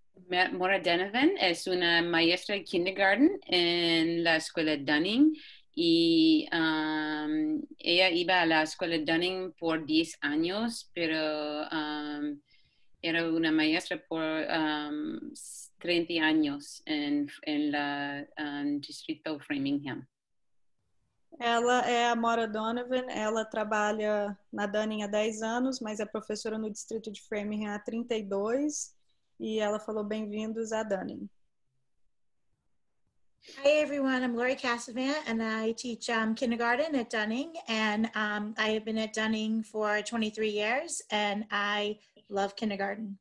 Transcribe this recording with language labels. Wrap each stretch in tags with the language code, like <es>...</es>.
<es>Maura Donovan es una maestra de kindergarten en la escuela Dunning y ella iba a la escuela Dunning por 10 años, pero era una maestra por 30 años en distrito Framingham.</es> <pt>Ela é a Maura Donovan, ela trabalha na Dunning há 10 anos, mas é professora no distrito de Framingham há 32, e ela falou bem-vindos à Dunning.</pt> <en>Hi everyone, I'm Lori Cassavant and I teach kindergarten at Dunning, and I have been at Dunning for 23 years and I love kindergarten.</en>